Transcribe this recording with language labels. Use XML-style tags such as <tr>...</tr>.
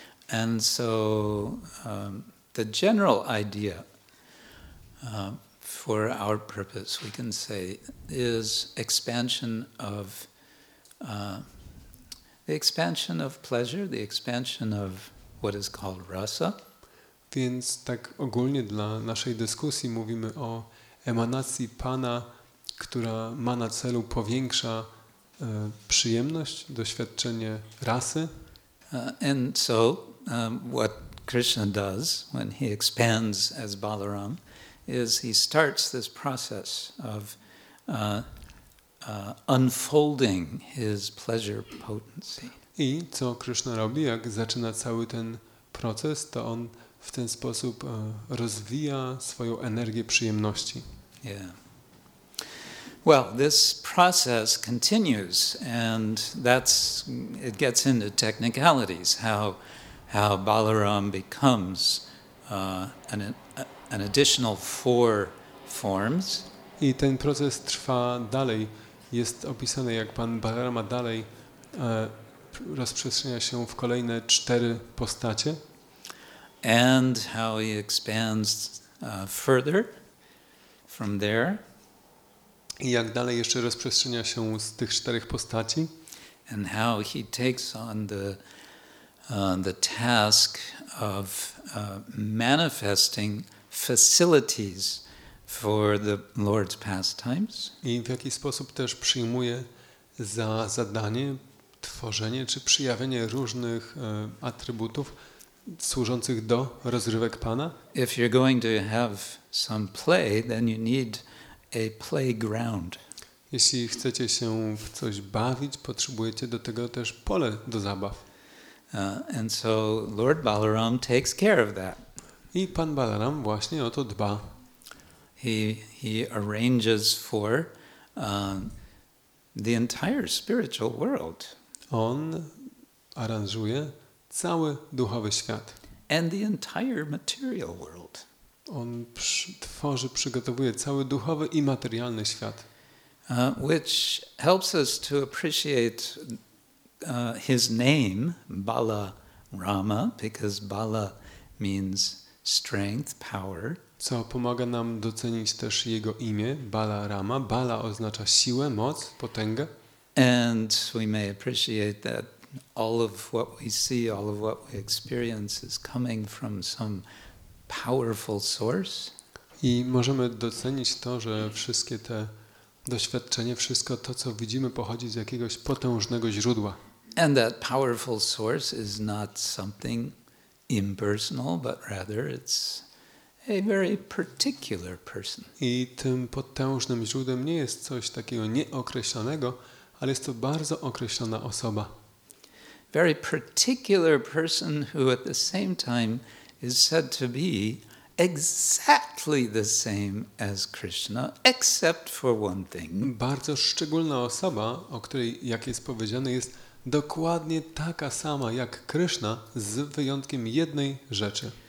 <en>And so the general idea for our purpose, we can say, is expansion of the expansion of pleasure, the expansion of what is called rasa.</en> <pl>Więc tak ogólnie dla naszej dyskusji mówimy o emanacji Pana, która ma na celu powiększa przyjemność, doświadczenie rasy.</pl> <en>And so what Krishna does when he expands as Balaram is he starts this process of unfolding his pleasure potency.</en> <pl>I co Krishna robi, jak zaczyna cały ten proces, to on w ten sposób rozwija swoją energię przyjemności.</pl> <en>Yeah. Well, this process continues, and that's it gets into technicalities, how Balaram becomes an additional four forms.</en> <pl>I ten proces trwa dalej. Jest opisane, jak pan Balarama dalej rozprzestrzenia się w kolejne cztery postacie.</pl> <en>And how he expands further from there.</en> <pl>I jak dalej jeszcze rozprzestrzenia się z tych czterech postaci.</pl> <en>And how he takes on the task of manifesting facilities for the Lord's pastimes.</en> <pl>I w jaki sposób też przyjmuje za zadanie tworzenie czy przyjawienie różnych atrybutów służących do rozrywek Pana.</pl> <en>If you're going to have some play, then you need a playground.</en> <pl>Jeśli chcecie się w coś bawić, potrzebujecie do tego też pole do zabaw.</pl> <en>And so Lord Balaram takes care of that.</en> <pl>I Pan Balaram właśnie o to dba.</pl> <en>He arranges for the entire spiritual world.</en> <pl>On aranżuje cały duchowy świat.</pl> <en>And the entire material world.</en> <pl>On przygotowuje cały duchowy i materialny świat.</pl> <en>Which helps us to appreciate his name, Balarama, because Bala means strength, power.</en> <pl>Co pomaga nam docenić też jego imię, Balarama. Bala oznacza siłę, moc, potęgę.</pl> <en>And we may appreciate that all of what we see, all of what we experience is coming from some powerful source.</en> <pl>I możemy docenić to, że wszystkie te doświadczenie, wszystko to, co widzimy, pochodzi z jakiegoś potężnego źródła.</pl> <en>And that powerful source is not something impersonal, but rather it's a very particular person.</en> <pl>I tym potężnym źródłem nie jest coś takiego nieokreślonego, ale jest to bardzo określona osoba.</pl> <en>Very particular person who at the same time is said to be exactly the same as Krishna, except for one thing.</en> <pl>Bardzo szczególna osoba, o której, jak jest powiedziane, jest dokładnie taka sama jak Krishna, z wyjątkiem jednej rzeczy.</pl>